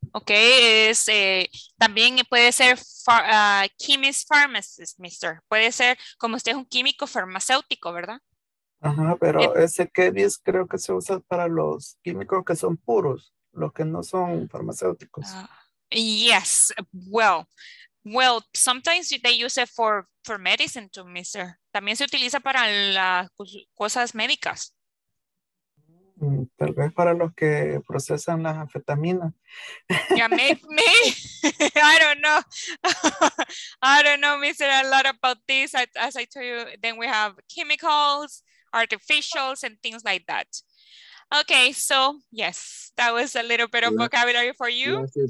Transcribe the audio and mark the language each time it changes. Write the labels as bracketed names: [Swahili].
[Spanish] Ok, es, también puede ser chemist pharmacist, mister. Puede ser como usted es un químico farmacéutico, ¿verdad? Ajá, pero ese chemist creo que se usa para los químicos que son puros, los que no son farmacéuticos. [English] Yes, well, sometimes they use it for medicine too, mister. [Spanish] También se utiliza para las cosas médicas. Tal vez para los que procesan las anfetaminas. [English] Yeah, me, I don't know. I don't know, mister, a lot about this. As I told you, then we have chemicals, artificials, and things like that. Okay, so yes, that was a little bit of vocabulary for you.